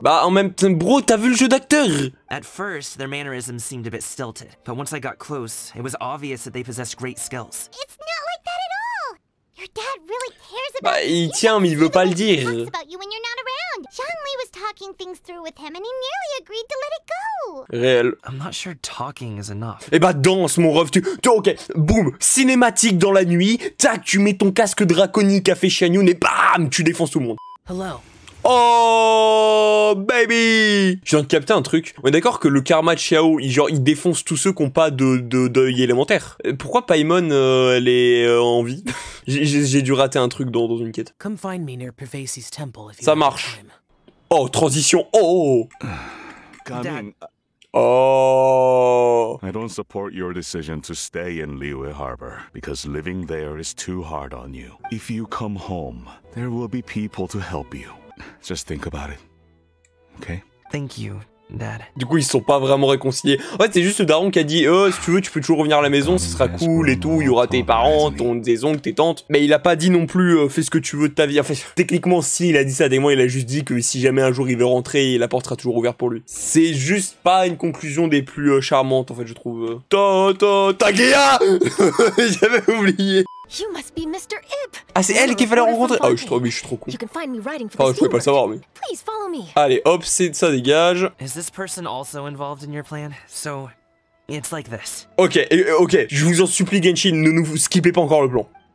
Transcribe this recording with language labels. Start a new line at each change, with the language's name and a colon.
French: Bah, en même temps, bro, t'as vu le jeu d'acteur?
English: At first, their mannerisms seemed a bit stilted. But once I got close, it was obvious that they possessed great skills. It's not like that at all! Your dad really cares about
French: bah,
English: you.
French: Bah, il tient, mais il veut pas le dire.
English: He talks about you when you're not around. Zhang Li was talking things through with him, and he nearly agreed to let it go.
French: Réel.
English: I'm not sure talking is enough.
French: Eh bah danse mon ref, tu ok, boum, cinématique dans la nuit, tac, tu mets ton casque draconique à Fei Xianyun et bam, tu défonces tout le monde.
English: Hello.
French: Oh, baby! Je viens de capter un truc. On est d'accord que le karma de Xiao, il défonce tous ceux qui n'ont pas d'œil élémentaire. Pourquoi Paimon, elle est en vie? J'ai dû rater un truc dans une quête.
English: Come find me near Pervasi's temple if you...
French: Ça marche. Oh, transition. Oh!
English: I don't support your decision to stay in Liyue Harbor because living there is too hard on you. If you come home, there will be people to help you. Just think about it. Okay? Thank you, Dad.
French: Du coup, ils sont pas vraiment réconciliés. Ouais, c'est juste le daron qui a dit si tu veux, tu peux toujours revenir à la maison, ce sera cool et tout. Il y aura tes parents, tes oncles, tes tantes. Mais il a pas dit non plus fais ce que tu veux de ta vie. Enfin, techniquement, si il a dit ça, des mois, il a juste dit que si jamais un jour il veut rentrer, la porte sera toujours ouverte pour lui. C'est juste pas une conclusion des plus charmantes, en fait, je trouve.
English: Tagea!
French: J'avais oublié.
English: You must be Mr. Ip.
French: Ah, c'est elle qu'il fallait rencontrer. Ah oui, je suis trop con. Enfin, je pouvais pas le savoir, mais...
English: Please follow me.
French: Allez, hop, c'est ça, dégage.
English: Is this person also involved in your plan? So, it's like this.
French: Ok, je vous en supplie, Genshin, ne nous skippez pas encore le plan.